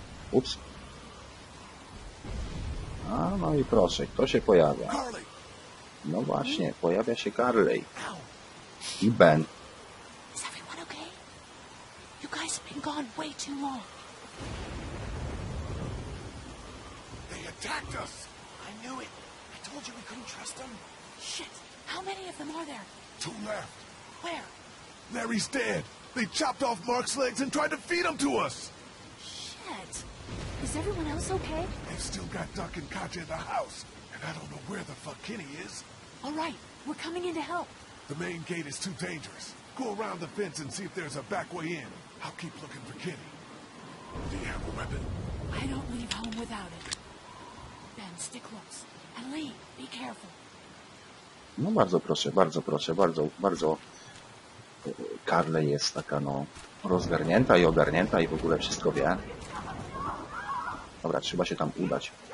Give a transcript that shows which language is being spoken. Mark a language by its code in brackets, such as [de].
[pl] Ups. No i proszę, kto się pojawia? No właśnie, pojawia się Carly. I Ben. [en] Is everyone okay? You guys have been gone way too long. They attacked us! I knew it. I told you we couldn't trust them. Shit, how many of them are there? Two left. Where? Larry's dead. They chopped off Mark's legs and tried to feed him to us. Shit. Is everyone else okay? They've still got Doc and Katja in the house. And I don't know where the fuck Kenny is. All right, we're coming in to help. The main gate is too dangerous. Go around the fence and see if there's a back way in. I'll keep looking for Kenny. Do you have a weapon? I don't leave home without it. Ben, stick close. And Lee, be careful. [pl] No bardzo proszę, bardzo proszę, bardzo, bardzo. Karle jest taka no rozgarnięta i ogarnięta i w ogóle wszystko wie. Dobra, trzeba się tam udać.